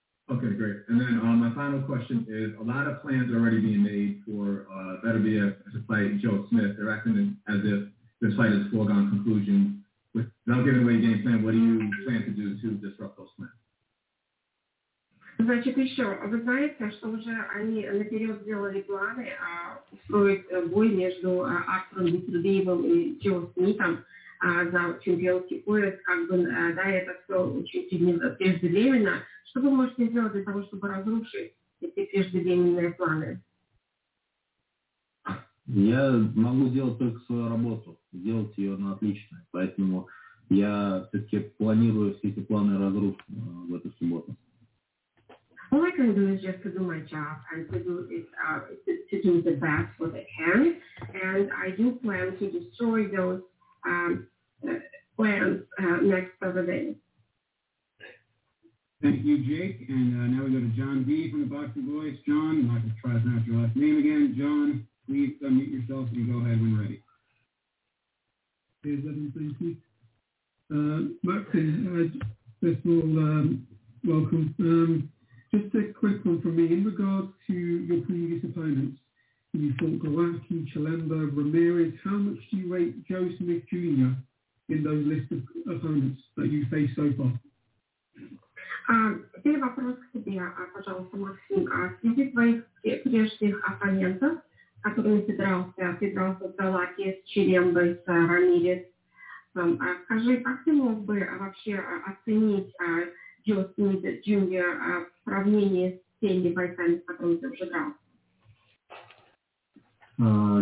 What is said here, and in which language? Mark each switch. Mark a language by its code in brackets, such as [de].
[en] Okay, great. And then my final question is, a lot of plans are already being made for better be to fight Joe Smith. They're acting as if this fight is foregone conclusion. Without giving away game plan, what do you plan to do to disrupt Joe Smith? [ru] Значит, еще, вы знаете, что уже они наперед сделали планы устроить бой между Артуром Бетрудеевым и Джо Смитом за чемпионский пояс, как бы, это все очень преждевременно. Что вы можете сделать для того, чтобы разрушить эти преждевременные планы? Я могу сделать только свою работу, сделать ее на отлично. Поэтому я все-таки планирую все эти планы разрушить в эту субботу. [en] All I can do is just to do my job and to do it, to do the best what I can. And I do plan to destroy those plans next Saturday. Thank you, Jake. And now we go to John B. from the Boxing Voice. John, I'm not going to try to pronounce your last name again. John, please unmute yourself and go ahead when ready. Hey, let me thank you. Martin, first of all, welcome. Just a quick one from me. In regards to your previous opponents, you fought Golovkin, Chalemba, Ramirez. How much do you rate Joe Smith Jr. in those list of opponents that you faced so far? [ru] Теперь вопрос к тебе, пожалуйста, Максим. Среди твоих прежних оппонентов, которыми ты дрался, с Головкиным, с Чалембой, с Рамирес, скажи, как ты мог бы вообще оценить Джо Смита Джуниор в сравнении с теми бойцами, с которыми ты уже дрался?